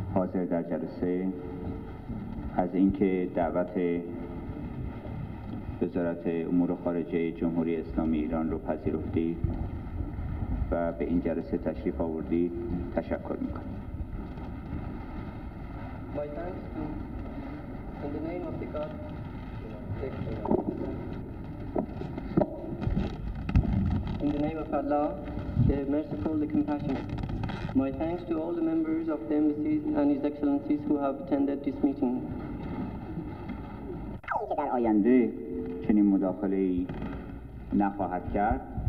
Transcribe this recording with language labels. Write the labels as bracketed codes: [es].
[fa] از اینکه دعوت وزارت امور خارجه جمهوری اسلامی ایران رو پذیرفتی و به این جلسه تشریف آوردی تشکر میکنم. [en] My thanks to, in the name of the God, the compassionate. My thanks to all the members of the embassies and His Excellencies who have attended this meeting. [fa] در آینده چنین مداخله‌ای نخواهد کرد.